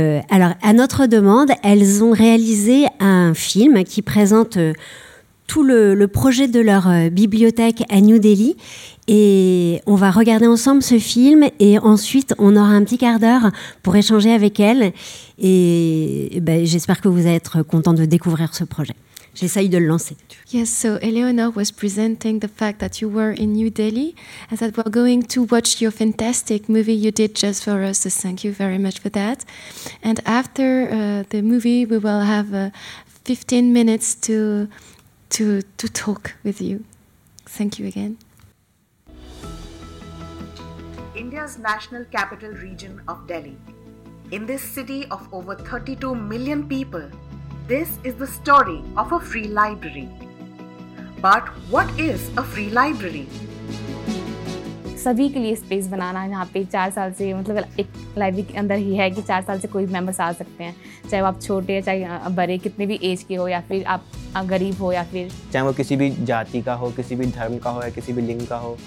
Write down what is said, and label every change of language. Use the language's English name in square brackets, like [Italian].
[French] Alors, à notre demande, elles ont réalisé un film qui présente tout le projet de leur bibliothèque à New Delhi. Et on va regarder ensemble ce film et ensuite on aura un petit quart d'heure pour échanger avec elles. Et ben, j'espère que vous allez être contents de découvrir ce projet. J'essaye de le lancer. [English] Yes, so Eleonore was presenting the fact that you were in New Delhi and that we're going to watch your fantastic movie you did just for us. So thank you very much for that. And after the movie, we will have 15 minutes to talk with you. Thank you again. India's national capital region of Delhi. In this city of over 32 million people, this is the story of a free library. But what is a free library? [Hindi] सभी के लिए space बनाना यहाँ पे चार साल से मतलब एक लाइब्रेरी के अंदर ही है कि चार साल से कोई मेंबर्स आ सकते हैं चाहे वो आप छोटे चाहे बड़े कितने भी एज के हो या फिर आप गरीब हो या फिर चाहे वो किसी भी जाति का हो किसी भी धर्म का हो या किसी भी लिंग का हो